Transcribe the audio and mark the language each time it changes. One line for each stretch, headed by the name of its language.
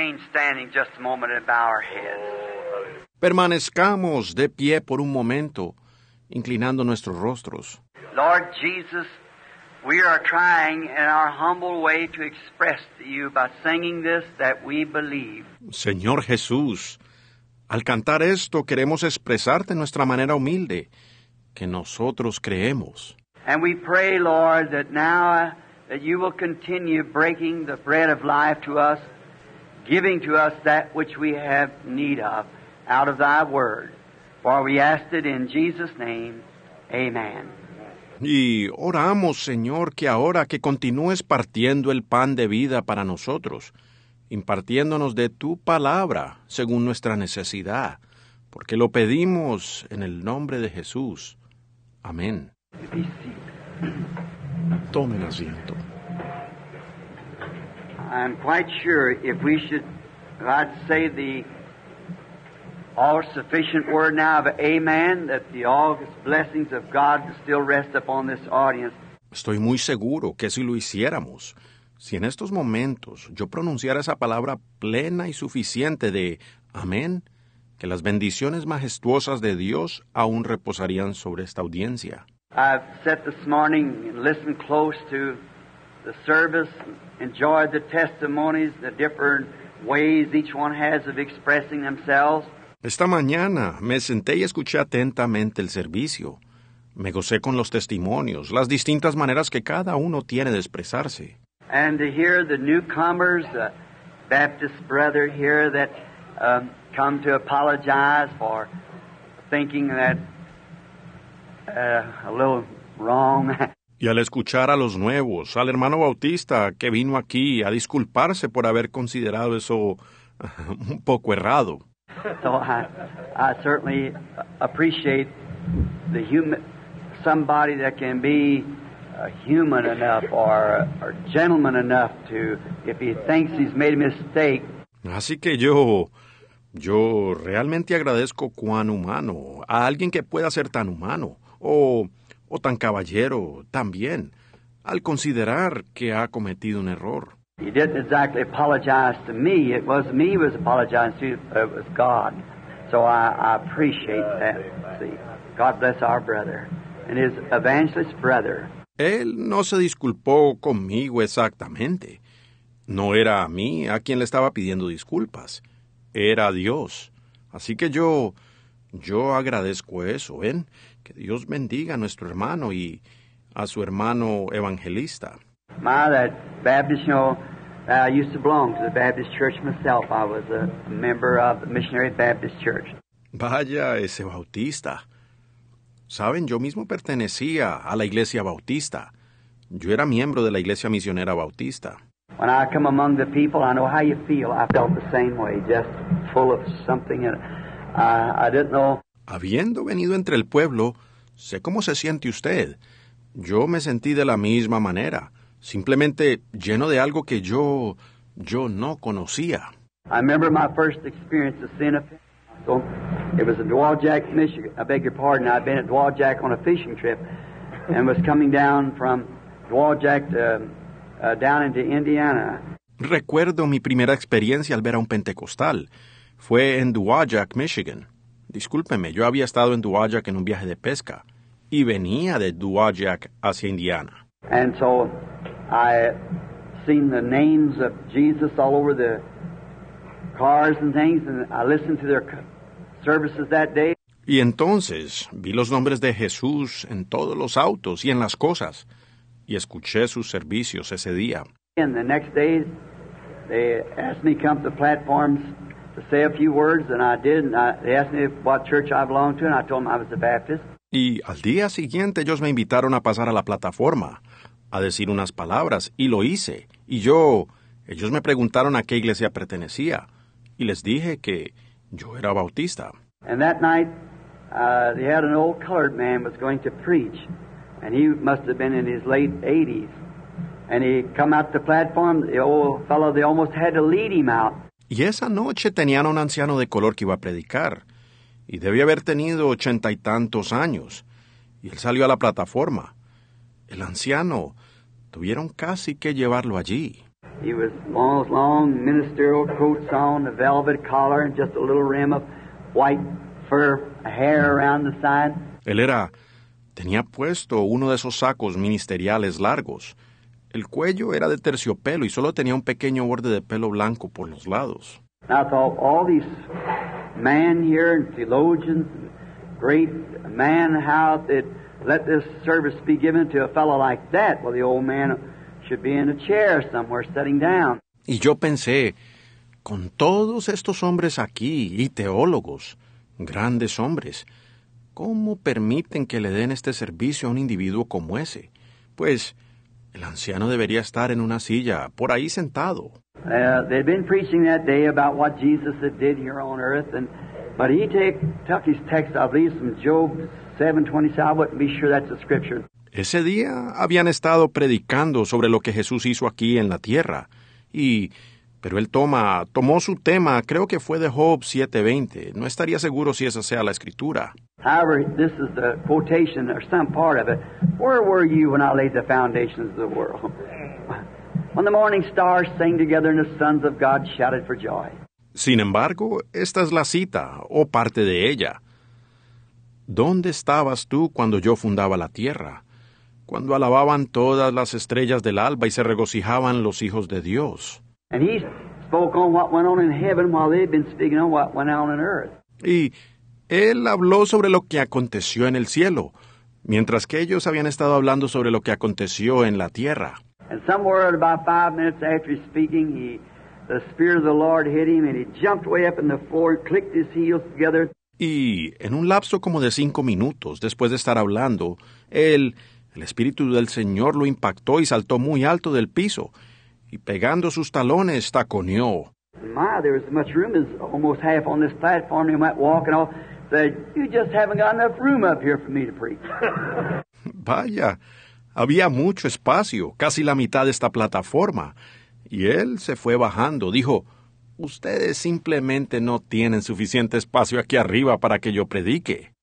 English: Standing just a moment and bow our heads.
Spanish: Permanezcamos de pie por un momento, inclinando nuestros rostros.
English: Lord Jesus, we are trying in our humble way to express to you by singing this that we believe.
Spanish: Señor Jesús, al cantar esto queremos expresarte en nuestra manera humilde que nosotros creemos.
English: And we pray, Lord, that now that you will continue breaking the bread of life to us, giving to us that which we have need of out of thy word. For we ask it in Jesus' name. Amen.
Spanish: Y oramos, Señor, que ahora que continúes partiendo el pan de vida para nosotros, impartiéndonos de tu palabra según nuestra necesidad, porque lo pedimos en el nombre de Jesús. Amén. Tomen asiento.
English: I'm quite sure if we should, if I'd say the all-sufficient word now of amen, that the august blessings of God still rest upon this audience.
Spanish: Estoy muy seguro que si lo hiciéramos, si en estos momentos yo pronunciara esa palabra plena y suficiente de amén, que las bendiciones majestuosas de Dios aún reposarían sobre esta audiencia.
English: I've sat this morning and listened close to the service. Enjoyed the testimonies, the different ways each one has of expressing themselves.
Spanish: Esta mañana me senté y escuché atentamente el servicio. Me gocé con los testimonios, las distintas maneras que cada uno tiene de expresarse.
English: And to hear the newcomers, the Baptist brother here that come to apologize for thinking that a little wrong.
Spanish: Y al escuchar a los nuevos, al hermano Bautista que vino aquí a disculparse por haber considerado eso un poco errado.
English: So I certainly appreciate the human, somebody that can be human enough or gentleman enough to, if he thinks he's made a mistake.
Spanish: Así que yo realmente agradezco cuán humano, a alguien que pueda ser tan humano, o tan caballero también, al considerar que ha cometido un error.
English: He didn't exactly apologize to me. It was me who was apologizing to you, but it was God. So I appreciate that. See, God bless our brother and his evangelist brother.
Spanish: Él no se disculpó conmigo exactamente. No era a mí a quien le estaba pidiendo disculpas. Era Dios. Así que yo agradezco eso, ¿ven? Que Dios bendiga a nuestro hermano y a su hermano evangelista.
English: My, that Baptist, you know, I used to belong to the Baptist Church myself. I was a member of the Missionary Baptist Church.
Spanish: Vaya, ese Bautista. Saben, yo mismo pertenecía a la Iglesia Bautista. Yo era miembro de la Iglesia Misionera Bautista.
English: When I come among the people, I know how you feel. I felt the same way, just full of something. I didn't know.
Spanish: Habiendo venido entre el pueblo, sé cómo se siente usted. Yo me sentí de la misma manera, simplemente lleno de algo que yo no conocía.
English: I remember my first experience of sin. So it was in Dwajak, Michigan. I beg your pardon. I'd been at Dwajak on a fishing trip and was coming down from Dwajak down into Indiana.
Spanish: Recuerdo mi primera experiencia al ver a un pentecostal. fue en Dowagiac, Michigan. Discúlpeme, yo había estado en Dowagiac en un viaje de pesca y venía de Dowagiac hacia Indiana.
English: And so I seen the names of Jesus all over the cars and things, and I listened to their services that day.
Spanish: Y entonces vi los nombres de Jesús en todos los autos y en las cosas, y escuché sus servicios ese día.
English: And the next day, they asked me to come to the platforms to say a few words, and I did. And they asked me what church I belonged to, and I told them I was a Baptist.
Spanish: Y al día siguiente, ellos me invitaron a pasar a la plataforma a decir unas palabras, y lo hice. Y yo, ellos me preguntaron a qué iglesia pertenecía, y les dije que yo era bautista.
English: And that night, they had an old colored man was going to preach, and he must have been in his late 80s. And he come out the platform, the old fellow, they almost had to lead him out.
Spanish: Y esa noche tenían a un anciano de color que iba a predicar, y debe haber tenido 80 y tantos años. Y él salió a la plataforma. El anciano, tuvieron casi que llevarlo allí.
English: He was long ministerial coats on, a velvet collar, and just a little rim of white fur, hair around the side.
Spanish: Él era, tenía puesto uno de esos sacos ministeriales largos. El cuello era de terciopelo y solo tenía un pequeño borde de pelo blanco por los lados.
English: I thought, all these men here, theologians, great man, how did let this service be given to a fellow like that? Well, the old man should be in a chair somewhere, sitting down.
Spanish: Y yo pensé, con todos estos hombres aquí, y teólogos, grandes hombres, ¿cómo permiten que le den este servicio a un individuo como ese? Pues, el anciano debería estar en una silla, por ahí sentado.
English: They'd been preaching that day about what Jesus had did here on earth, and but he took his text, I believe, from Job 7:27, I wouldn't be sure that's the scripture.
Spanish: Ese día habían estado predicando sobre lo que Jesús hizo aquí en la tierra, y... Pero él tomó su tema, creo que fue de Job 7:20. No estaría seguro si esa sea la escritura.
English: However, this is the quotation or some part of it. Where were you when I laid the foundations of the world? When the morning stars sang together and the sons of God shouted for joy.
Spanish: Sin embargo, esta es la cita, o parte de ella. ¿Dónde estabas tú cuando yo fundaba la tierra? Cuando alababan todas las estrellas del alba y se regocijaban los hijos de Dios.
English: And he spoke on what went on in heaven while they'd been speaking on what went on in earth.
Spanish: Y él habló sobre lo que aconteció en el cielo, mientras que ellos habían estado hablando sobre lo que aconteció en la tierra.
English: And somewhere at about 5 minutes after he's speaking, the Spirit of the Lord hit him, and he jumped way up in the floor, clicked his heels together.
Spanish: Y en un lapso como de 5 minutos después de estar hablando, el Espíritu del Señor lo impactó y saltó muy alto del piso, y pegando sus talones, taconeó.
English: My, there was as much room as almost half on this platform. He went walking off. Said, you just haven't got enough room up here for me to preach.
Spanish: Vaya, había mucho espacio, casi la mitad de esta plataforma. Y él se fue bajando. Dijo, ustedes simplemente no tienen suficiente espacio aquí arriba para que yo predique.